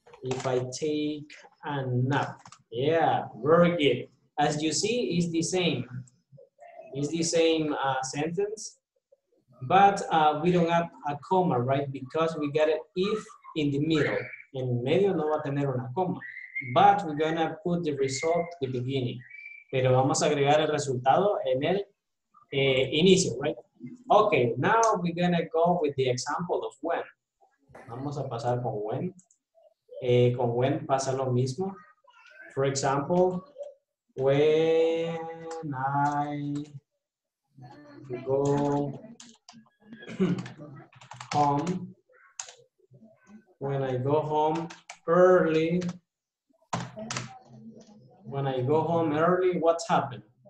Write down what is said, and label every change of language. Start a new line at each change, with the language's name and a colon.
English: If I take a nap. Yeah, very good. As you see, it's the same. It's the same sentence. But we don't have a comma, right? Because we got an if in the middle.
Spanish: En medio no va a tener una coma.
English: But we're gonna put the result at the beginning.
Spanish: Pero vamos a agregar el resultado en el inicio, right?
English: Okay, now we're gonna go with the example of when.
Spanish: Vamos a pasar con when. Con when pasa lo mismo.
English: For example, when I go home, when I go home early, when I go home early, what's happened?